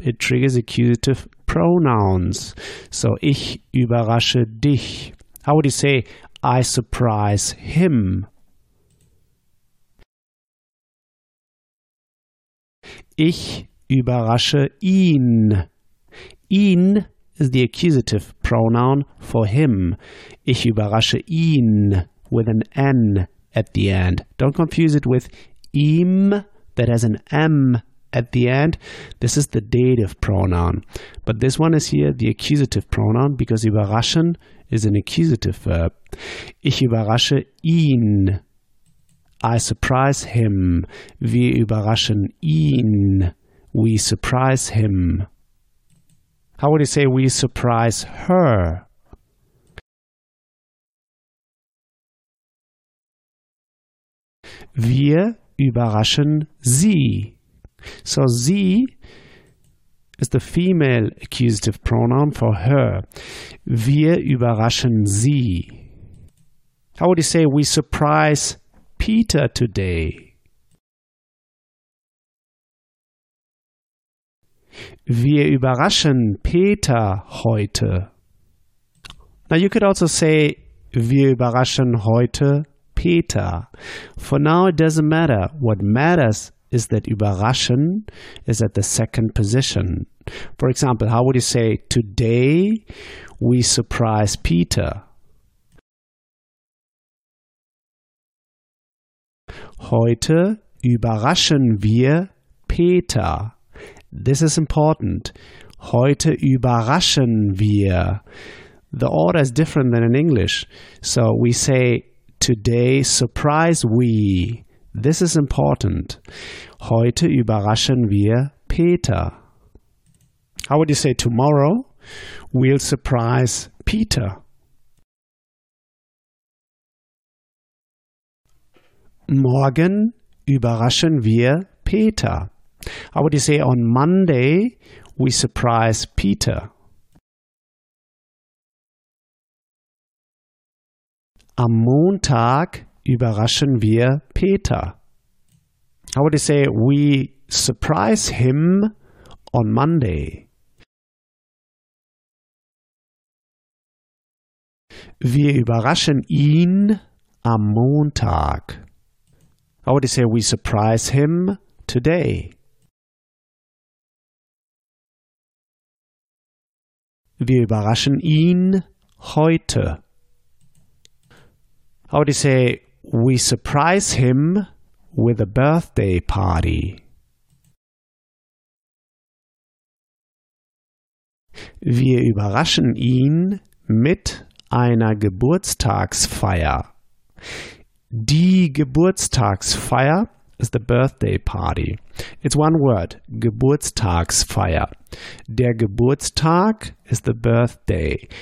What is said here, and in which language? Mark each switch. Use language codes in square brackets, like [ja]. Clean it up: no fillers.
[en] It triggers accusative pronouns. So, [de] ich überrasche dich. [en] How would you say I surprise him? [de] Ich überrasche ihn. [en] Ihn is the accusative pronoun for him. [de] Ich überrasche ihn [en] with an N at the end. Don't confuse it with ihm that has an M at the end. This is the dative pronoun. But this one is here the accusative pronoun because überraschen is an accusative verb. [de] Ich überrasche ihn. [en] I surprise him. [de] Wir überraschen ihn. [en] We surprise him. How would you say we surprise her? [de] Wir überraschen sie. [en] So sie is the female accusative pronoun for her. [de] Wir überraschen sie. [en] How would you say we surprise Peter today? [de] Wir überraschen Peter heute. [en] Now you could also say, [de] wir überraschen heute Peter. [en] For now it doesn't matter. What matters is that überraschen is at the second position. For example, how would you say, today we surprise Peter? [de] Heute überraschen wir Peter. [en] This is important. [de] Heute überraschen wir. [en] The order is different than in English. So we say, today surprise we. This is important. [de] Heute überraschen wir Peter. [en] How would you say tomorrow? We'll surprise Peter. [de] Morgen überraschen wir Peter. [en] How would you say on Monday we surprise Peter? [de] Am Montag überraschen wir Peter. [en] How would you say we surprise him on Monday? [de] Wir überraschen ihn am Montag. [en] How would you say we surprise him today? [de] Wir überraschen ihn heute. [en] How would you say we surprise him with a birthday party? [de] Wir überraschen ihn mit einer Geburtstagsfeier. [en] Die Geburtstagsfeier is the birthday party. It's one word, Geburtstagsfeier. Der Geburtstag is the birthday.